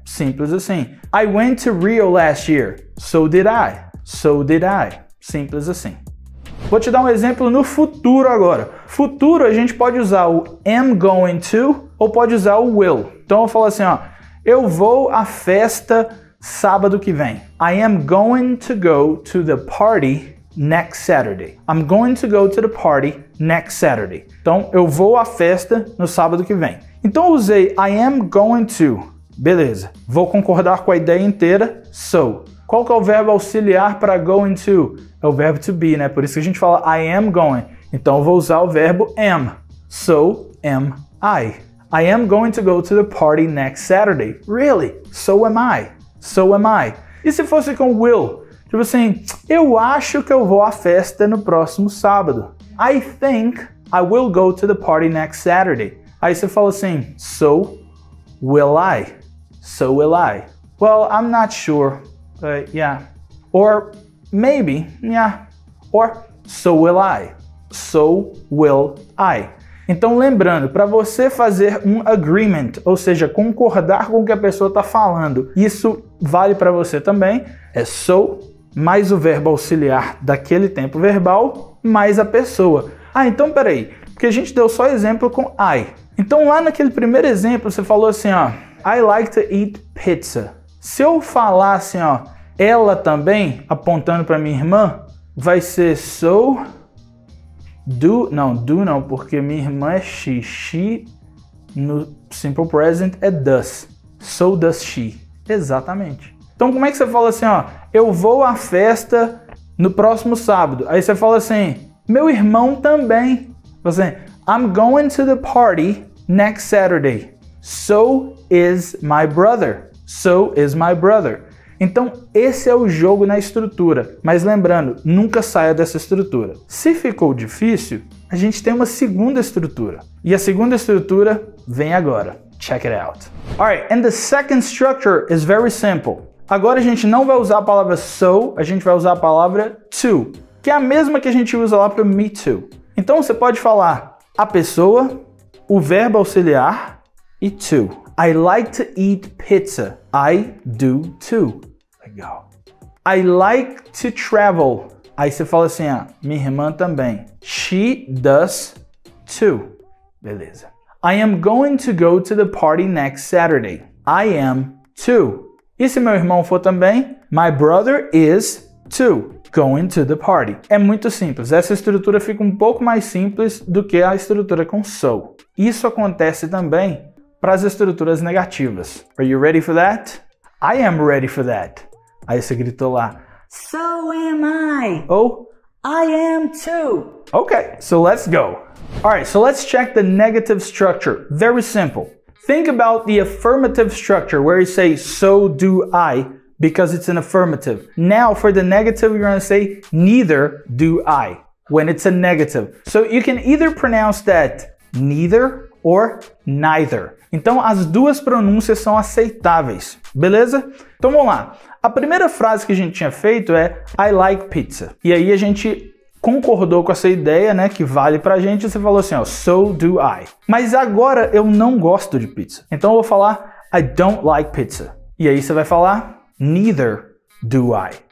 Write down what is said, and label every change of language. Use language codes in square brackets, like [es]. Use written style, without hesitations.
[pt] Simples assim. [en] I went to Rio last year, so did I. So did I. Simples assim. [pt] Vou te dar um exemplo no futuro agora. Futuro a gente pode usar o am going to ou pode usar o will. Então eu falo assim, ó, eu vou à festa sábado que vem. [en] I am going to go to the party next Saturday. I'm going to go to the party next Saturday. [pt] Então, eu vou à festa no sábado que vem. Então, eu usei I am going to. Beleza. Vou concordar com a ideia inteira. So. Qual que é o verbo auxiliar para going to? É o verbo to be, né? Por isso que a gente fala [en] I am going. [pt] Então, eu vou usar o verbo am. [en] So, am I. I am going to go to the party next Saturday. Really? So am I. So am I. [pt] E se fosse com will? Tipo assim, eu acho que eu vou à festa no próximo sábado. [en] I think I will go to the party next Saturday. [pt] Aí você fala assim, [en] so will I. So will I. Well, I'm not sure. Yeah. Or maybe, yeah. Or so will I. So will I. [pt] Então, lembrando, para você fazer um agreement, ou seja, concordar com o que a pessoa está falando, isso vale para você também, é so mais o verbo auxiliar daquele tempo verbal, mais a pessoa. Ah, então, peraí, porque a gente deu só exemplo com I. Então, lá naquele primeiro exemplo, você falou assim, ó, [en] I like to eat pizza. [pt] Se eu falar assim, ó, ela também, apontando para minha irmã, vai ser so... Do não, porque minha irmã é she. She, no simple present, é does. [en] So does she. Exatamente. [pt] Então, como é que você fala assim, ó, eu vou à festa no próximo sábado. Aí você fala assim, meu irmão também. [en] Você, I'm going to the party next Saturday. So is my brother. So is my brother. [pt] Então, esse é o jogo na estrutura. Mas lembrando, nunca saia dessa estrutura. Se ficou difícil, a gente tem uma segunda estrutura. E a segunda estrutura vem agora. [en] Check it out. Alright, and the second structure is very simple. [pt] Agora a gente não vai usar a palavra so, a gente vai usar a palavra to, que é a mesma que a gente usa lá para me too. Então, você pode falar a pessoa, o verbo auxiliar e to. [en] I like to eat pizza. I do too. Legal. I like to travel. [pt] Aí você fala assim, ah, minha irmã também. [en] She does too. Beleza. I am going to go to the party next Saturday. I am too. [pt] E se meu irmão for também? [en] My brother is too. Going to the party. [pt] É muito simples. Essa estrutura fica um pouco mais simples do que a estrutura com so. Isso acontece também para as estruturas negativas. [en] Are you ready for that? I am ready for that. [pt] Aí você gritou lá, [en] so am I. Oh, I am too. Okay, so let's go. All right, so let's check the negative structure. Very simple. Think about the affirmative structure where you say, so do I, because it's an affirmative. Now for the negative, you're gonna say, neither do I, when it's a negative. So you can either pronounce that neither or neither. [pt] Então, as duas pronúncias são aceitáveis, beleza? Então, vamos lá. A primeira frase que a gente tinha feito é [en] I like pizza. [pt] E aí, a gente concordou com essa ideia, né, que vale pra gente. Você falou assim, ó, [en] so do I. [pt] Mas agora, eu não gosto de pizza. Então, eu vou falar [en] I don't like pizza. [pt] E aí, você vai falar [en] neither do I.